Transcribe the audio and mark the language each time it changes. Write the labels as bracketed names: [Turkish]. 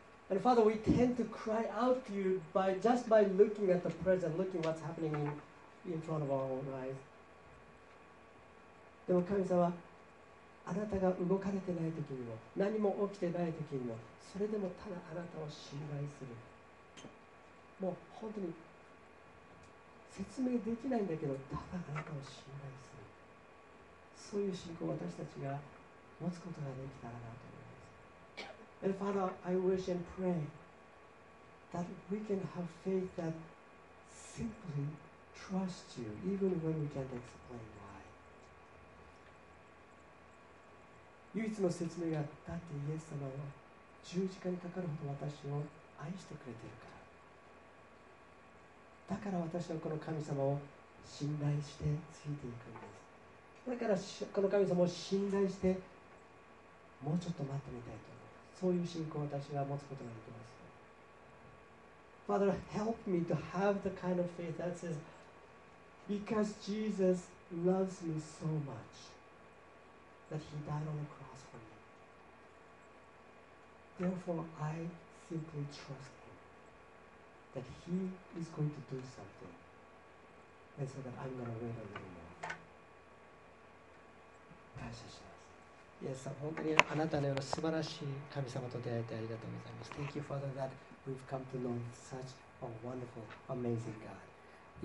[English] And Father, we tend to cry out to you by just by looking at the present, looking what's happening in front of our own eyes. [Japanese] でも神様、あなたが動かれてない時にも、何も起きてない時にも、それでもただあなたを信頼する。もう本当に説明できないんだけど、ただあなたを信頼する。そういう信仰を私たちが持つことができたらなと。 [English] And Father, I wish and pray that we can have faith that simply trusts you, even when we can't explain why. [Japanese] 唯一の説明が、だってイエス様は十字架にかかるほど私を愛してくれているから。だから私はこの神様を信頼してついていくんです。だからこの神様を信頼してもうちょっと待ってみたいと。そういう信仰を私は持つことができます。 [English] Father, help me to have the kind of faith that says, because Jesus loves me so much, that he died on the cross for me. Therefore, I simply trust him, that he is going to do something, and so that I'm going to wait a little more. [Japanese] 感謝します。イエス様、本当にあなたのような素晴らしい神様と出会えてありがとうございます。 [English] Thank you, Father, that we've come to know such a wonderful, amazing God.